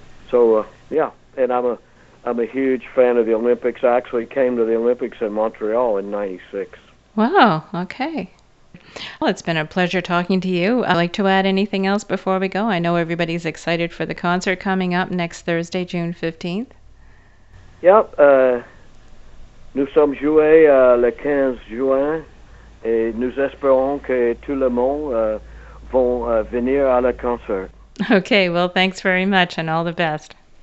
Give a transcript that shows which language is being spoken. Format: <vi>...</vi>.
<en>So, and I'm a huge fan of the Olympics. I actually came to the Olympics in Montreal in 96. Wow, okay. Well, it's been a pleasure talking to you. I'd like to add anything else before we go. I know everybody's excited for the concert coming up next Thursday, June 15th. Yep.</en> <fr>Nous sommes joués le 15 juin et nous espérons que tout le monde vont venir à le concert.</fr> <en>Okay, well, thanks very much and all the best.</en>